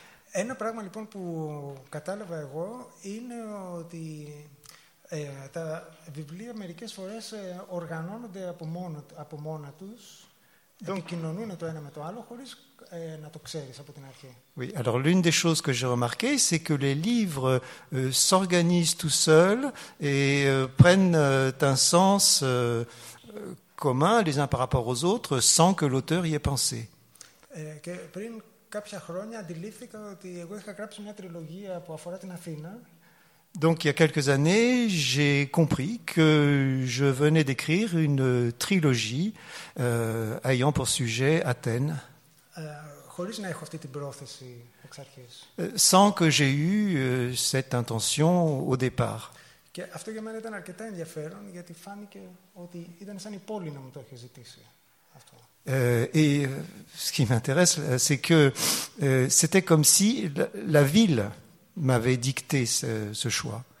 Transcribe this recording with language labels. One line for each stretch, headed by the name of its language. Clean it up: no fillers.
Greek: Ένα πράγμα λοιπόν που κατάλαβα εγώ είναι ότι τα βιβλία μερικές φορές οργανώνονται από μόνα τους, επικοινωνούν το ένα με το άλλο χωρίς να το ξέρεις από την αρχή.
French: Oui, alors l'une des choses que j'ai remarqué, c'est que les livres s'organisent tout seuls et prennent un sens commun les uns par rapport aux autres sans que l'auteur y ait pensé.
Greek: Και πριν κάποια χρόνια αντιλήφθηκα ότι εγώ είχα γράψει μια τριλογία που αφορά την Αθήνα.
French: Donc il y a quelques années, j'ai compris que je venais d'écrire une trilogie ayant pour sujet Athènes.
Greek: Χωρίς να έχω αυτή την πρόθεση εξ αρχής.
French: Sans que j'ai eu cette intention au départ.
Greek: Και αυτό για μένα ήταν αρκετά ενδιαφέρον, γιατί φάνηκε ότι ήταν σαν η πόλη να μου το είχε ζητήσει.
French: Et ce qui m'intéresse, c'est que c'était comme si la ville m'avait dicté ce choix.